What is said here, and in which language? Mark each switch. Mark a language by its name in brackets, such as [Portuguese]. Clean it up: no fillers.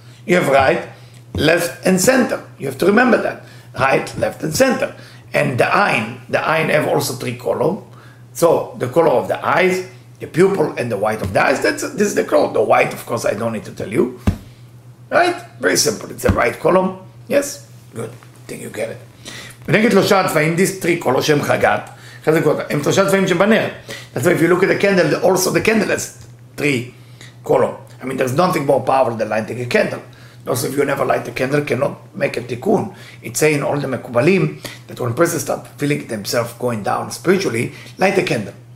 [English] You have right, left, and center. You have to remember that. Right, left, and center. And the ayin have also three kolot. So the color of the eyes, the pupil, and the white of the eyes, this is the color. The white, of course, I don't need to tell you. Right? Very simple. It's the right column. Yes? Good. I think you get it. [Hebrew] ונגד שלושה הצבעים, [English] this three color, [Hebrew] שם חגת, הם שלושה הצבעים שבנר. [English] That's why if you look at the candle, also the candle has three color. I mean, there's nothing more powerful than lighting a candle. Those of you who never light a candle cannot make a tikkun. It's saying all the mekubalim that when a person starts feeling themselves going down spiritually, light a candle.